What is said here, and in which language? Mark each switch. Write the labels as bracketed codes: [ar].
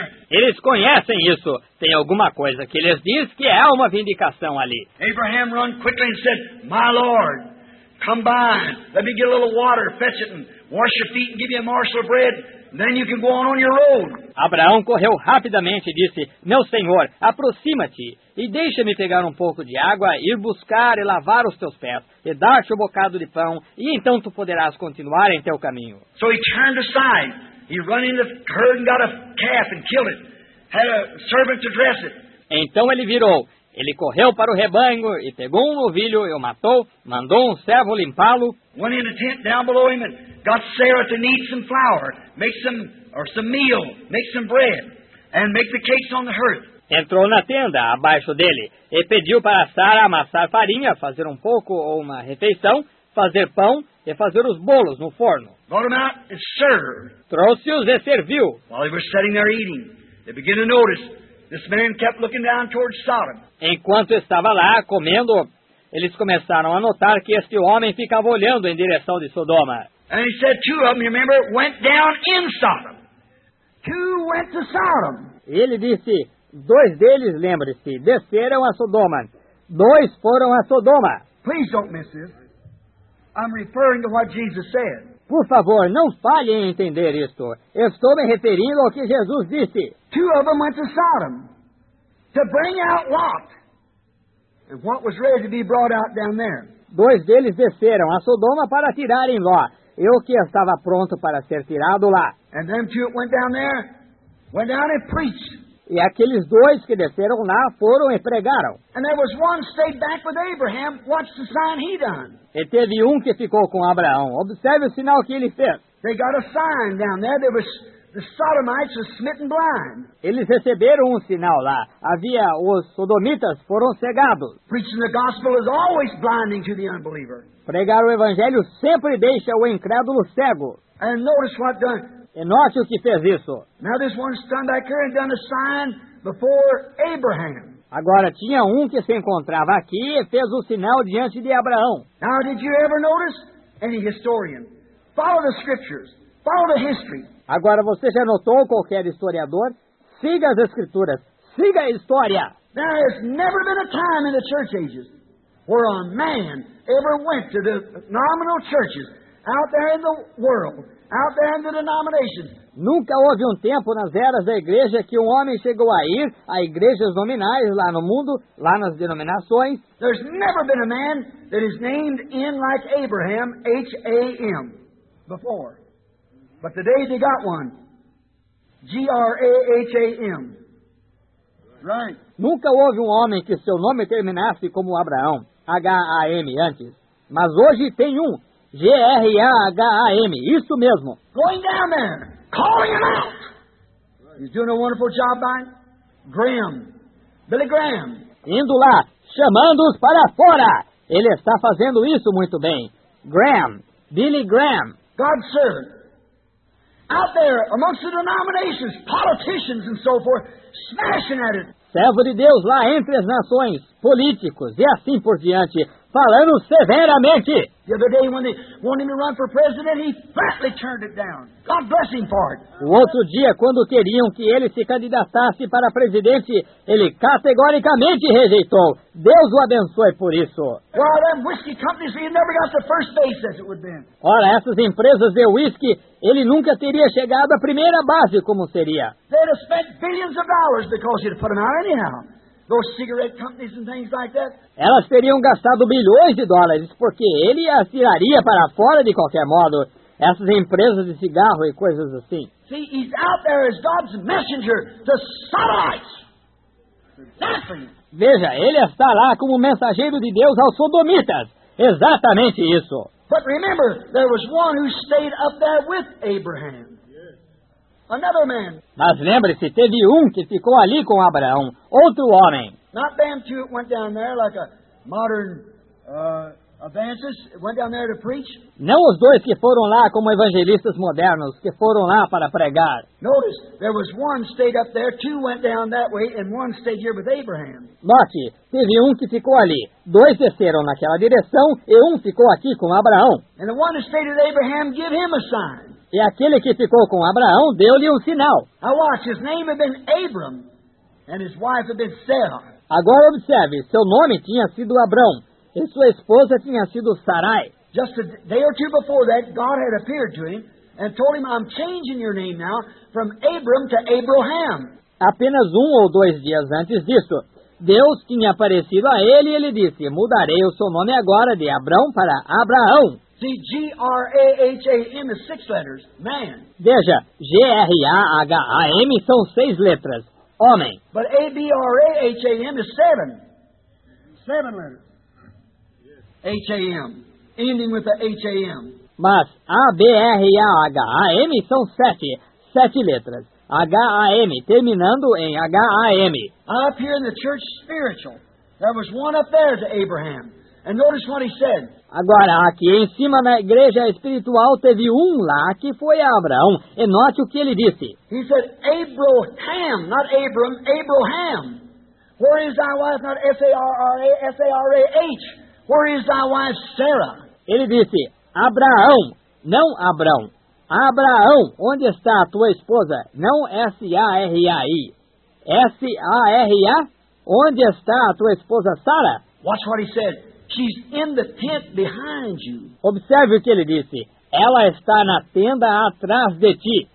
[pt] Eles conhecem isso. Tem alguma coisa que lhes diz que é uma vindicação ali. [en] Abraham ran quickly and said, "My Lord, come by. Let me get a little water, fetch it, and wash your feet, and give you a morsel of bread. Then you can go on your road." [pt] Abraão correu rapidamente e disse, "Meu Senhor, aproxima-te e deixa-me pegar um pouco de água, ir buscar e lavar os teus pés, e dar-te um bocado de pão, e então tu poderás continuar em teu caminho." [en] So he turned aside. He ran into the herd and got a calf and killed it. Had a servant to dress it. [pt] Então ele virou. Ele correu para o rebanho e pegou um novilho e o matou, mandou um servo limpá-lo. [en] Went in the tent down below him and got Sarah to knead some flour, make some meal, make some bread, and make the cakes on the hearth. [pt] Entrou na tenda abaixo dele e pediu para Sara amassar farinha, fazer um pouco ou uma refeição, fazer pão e fazer os bolos no forno. [en] Brought them out and served. [pt] Trouxe-os e serviu. [en] While they were sitting there eating, they began to notice this man kept looking down towards Sodom. [pt] Enquanto estava lá comendo, eles começaram a notar que este homem ficava olhando em direção de Sodoma. [en] And he said two of them, you remember, went down in Sodom. Two went to Sodom. [pt] Ele disse, dois deles, lembre-se, desceram a Sodoma. Dois foram a Sodoma. [en] Please don't miss this. I'm referring to what Jesus said. [pt] Por favor, não falhe em entender isto. Estou me referindo ao que Jesus disse. [en] Two of them went to Sodom to bring out Lot and what was ready to be brought out down there. [pt] dois deles desceram a Sodoma para tirarem Ló. Eu que estava pronto para ser tirado lá. [en] And them two went down there, went down and preached. [pt] E aqueles dois que desceram lá foram e pregaram. [en] And there was one stayed back with Abraham, watched the sign he done. [pt] E teve um que ficou com Abraão. Observe o sinal que ele fez. [en] They got a sign down there. There was the Sodomites were smitten blind. [pt] Eles receberam um sinal lá. Havia os sodomitas foram cegados. [en] Preaching the gospel is always blinding to the unbeliever. [pt] Pregar o evangelho sempre deixa o incrédulo cego. [en] And notice what done. [pt] E note o que fez isso. [en] Now this one stand back here and done a sign before Abraham. [pt] Agora tinha um que se encontrava aqui e fez o sinal diante de Abraão. [en] Now did you ever notice any historian? Follow the scriptures. Follow the history. [pt] Agora você já notou qualquer historiador? Siga as escrituras. Siga a história. [en] There has never been a time in the church ages where a man ever went to the nominal churches out there in the world. Out there in the denomination. [pt] Nunca houve um tempo nas eras da igreja que um homem chegou a ir a igrejas nominais lá no mundo, lá nas denominações. [en] There's never been a man that is named in like Abraham, H-A-M, before. But today they got one, G-R-A-H-A-M. Right. [pt] Nunca houve um homem que seu nome terminasse como Abraão, H-A-M, antes. Mas hoje tem um. G-R-A-H-A-M, isso mesmo. [en] Going down there, calling him out. He's doing a wonderful job by Graham, Billy Graham. [pt] Indo lá, chamando-os para fora. Ele está fazendo isso muito bem. [en] Graham, Billy Graham. God's servant. Out there, amongst the denominations, politicians and so forth, smashing at it. [pt] Servo de Deus lá entre as nações, políticos e assim por diante, falando severamente. [en] The other day when they wanted him to run for president, he flatly turned it down. God bless him for it. [pt] O outro dia, quando queriam que ele se candidatasse para presidente, ele categoricamente rejeitou. Deus o abençoe por isso. [en] Well, them whiskey companies, he never got the first base as it would have been. [pt] Ora, essas empresas de whisky, ele nunca teria chegado à primeira base como seria. [en] They'd have spent billions of dollars because you'd put them out anyhow. Those cigarette companies and things like that. [pt] Elas teriam gastado bilhões de dólares, porque ele as tiraria para fora de qualquer modo, essas empresas de cigarro e coisas assim. [en] See, he's out there as God's messenger to Sodomites. [pt] Veja, ele está lá como mensageiro de Deus aos sodomitas. Exatamente isso. [en] But remember, there was one who stayed up there with Abraham. Another man. [pt] Mas lembre-se, teve um que ficou ali com Abraão, outro homem. [en] Not them two went down there like a modern evangelist went down there to preach. [pt] Não os dois que foram lá como evangelistas modernos que foram lá para pregar. [en] Notice, there was one stayed up there, two went down that way, and one stayed here with Abraham. [pt] Note, teve um que ficou ali, dois desceram naquela direção e um ficou aqui com Abraão. [en] And the one who stayed with Abraham, give him a sign. [pt] E aquele que ficou com Abraão deu-lhe um sinal. [en] Now watch, his name had been Abram, and his wife had been Sarah. [pt] Agora observe, seu nome tinha sido Abraão, e sua esposa tinha sido Sarai. [en] Just a day or two before that, God had appeared to him and told him, I'm changing your name now from Abram to Abraham. [pt] Apenas um ou dois dias antes disso, Deus tinha aparecido a ele e ele disse, mudarei o seu nome agora de Abraão para Abraão. [en] See, G-R-A-H-A-M is six letters, man. [pt] Veja, G-R-A-H-A-M são seis letras, homem. [en] But A-B-R-A-H-A-M is seven. Seven letters. Yes. H-A-M, ending with the H-A-M. [pt] Mas A-B-R-A-H-A-M são sete, sete letras, H-A-M, terminando em H-A-M. [en] Up here in the church spiritual, there was one up there to Abraham. And notice what he said. [pt] Agora, aqui em cima na igreja espiritual, teve um lá que foi Abraão. E note o que ele disse. [en] He said, Abraham, not Abram, Abraham. Where is thy wife, not S-A-R-R-A, S-A-R-A-H. Where is thy wife, Sarah? [pt] Ele disse, Abraão, não Abrão. Abraão, onde está a tua esposa? Não S-A-R-A-I. S-A-R-A, onde está a tua esposa, Sarah? [en] Watch what he said. She's in the tent behind you. [pt] Observe o que ele disse. Ela está na tenda atrás de ti.